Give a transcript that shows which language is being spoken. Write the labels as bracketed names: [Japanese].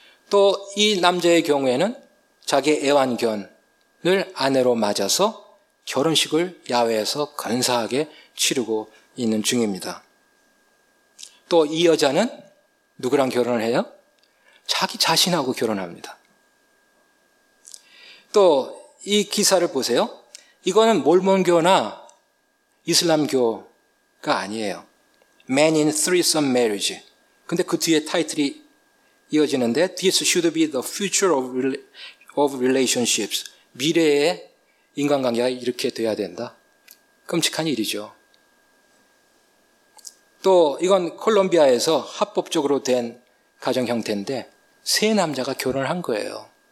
[Korean] 또 이 남자의 경우에는 자기 애완견을 아내로 맞아서 결혼식을 야외에서 건사하게 치르고 있는 중입니다. 또 이 여자는 누구랑 결혼을 해요? 자기 자신하고 결혼합니다. 또 이 기사를 보세요. 이거는 몰몬교나 이슬람교가 아니에요. [English] Man in threesome marriage. [Korean] 근데 그 뒤에 타이틀이 이어지는데 [English] This should be the future of relationships. [Korean] 미래의 인간관계가 이렇게 돼야 된다. 끔찍한 일이죠. 또 이건 콜롬비아에서 합법적으로 된 가정 형태인데 세 남자가 결혼을 한 거예요.